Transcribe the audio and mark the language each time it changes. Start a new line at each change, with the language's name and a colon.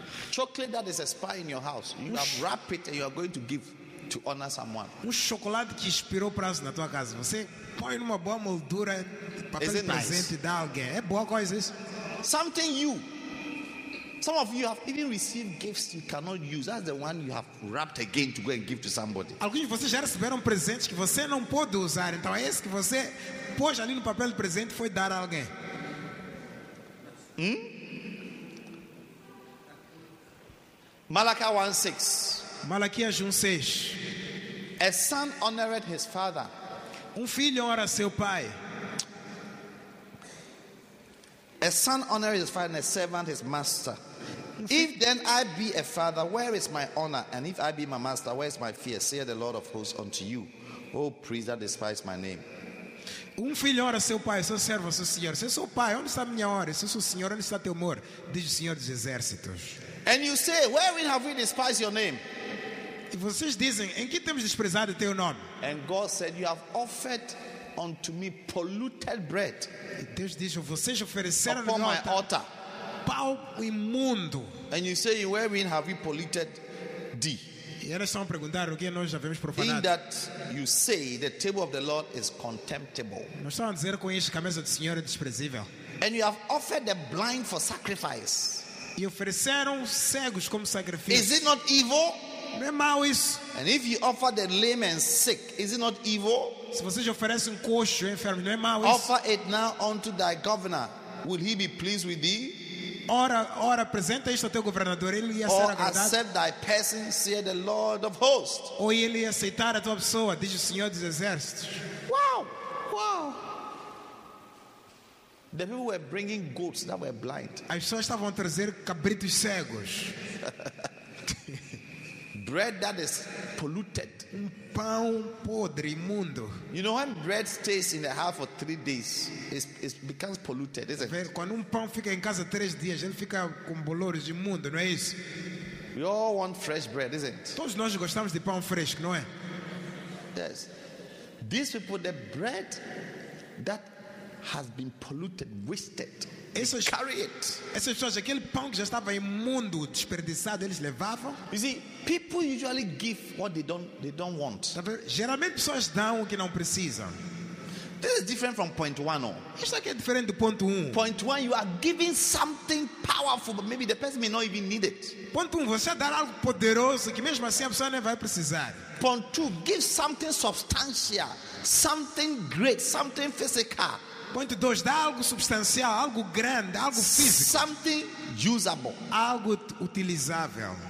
English: Chocolate that is expired in your house, you have wrapped it and you are going to give to honor someone.
Portuguese: Um chocolate que expirou prazo na tua casa, você põe numa boa moldura para dar presente a alguém. É boa coisa isso.
English: Something you. Some of you have even received gifts you cannot use. That's the one you have wrapped again to go and give to somebody.
Portuguese: Alguns de vocês já receberam presentes que você não pode usar. Então é esse que você pôs ali no papel de presente e foi dar a alguém.
English: Malachi 1:6.
Portuguese: Malaquias 1:6.
English: A son honored his father.
Portuguese: Um filho honra seu pai.
English: A son honored his father and a servant his master. If then I be a father, where is my honor? And if I be my master, where is my fear? Saith the Lord of hosts unto you, O priest that despise my name.
Portuguese: Um filho honra seu pai, seu servo, seu senhor. Se sou pai, onde está a minha honra? Se sou senhor, onde está teu amor? Diz o Senhor dos Exércitos.
English: And you say, wherein have we despised your name?
Portuguese: E vocês dizem, em que temos desprezado teu nome?
English: And God said, you have offered unto me polluted bread.
Portuguese: E Deus diz, vocês ofereceram upon
English: my altar.
Portuguese: Pau imundo.
English: And you say, wherein have we polluted thee?
Portuguese: E eles estão a perguntar o que nós já vemos profanado.
English: In that you say the table of the Lord is contemptible.
Portuguese: Nós estamos a dizer com isso que a mesa do Senhor é desprezível.
English: And you have offered the blind for sacrifice.
Portuguese: E ofereceram cegos como sacrifício.
English: Is it not evil?
Portuguese: Não é mau isso.
English: And if you offer the lame and sick, is it not evil?
Portuguese: Se vocês oferecem coxo e enfermo, não é mau isso.
English: Offer it now unto thy governor. Will he be pleased with thee?
Portuguese: Ora, apresenta isto ao teu governador, ele ia
English: or
Portuguese: ser agradado.
English: Accept thy person, say the Lord of hosts.
Portuguese: Ou ele ia aceitar a tua pessoa, diz o Senhor dos Exércitos.
English: Wow, wow. The people were bringing goats that were blind.
Portuguese: As pessoas estavam a trazer cabritos cegos.
English: Bread that is polluted.
Portuguese: Um pão podre, imundo.
English: You know when bread stays in the house for 3 days, it becomes polluted, isn't it?
Portuguese: Quando pão fica em casa 3 dias, ele fica com bolores, imundo, não é isso?
English: We all want fresh bread, isn't it?
Portuguese: Todos nós gostamos de pão fresco, não é?
English: Yes. These people, the bread that has been polluted, wasted. Carry it. You see, people usually give what they don't want. This is different from point one. Point one, you are giving something powerful, but maybe the person may not even need it. Point one,
Portuguese: você dar algo poderoso que mesmo assim a pessoa não vai precisar.
English: Point two, give something substantial, something great, something physical.
Portuguese: Point 2, dá algo substancial, algo grande, algo físico.
English: Something usable.
Portuguese: Algo utilizável.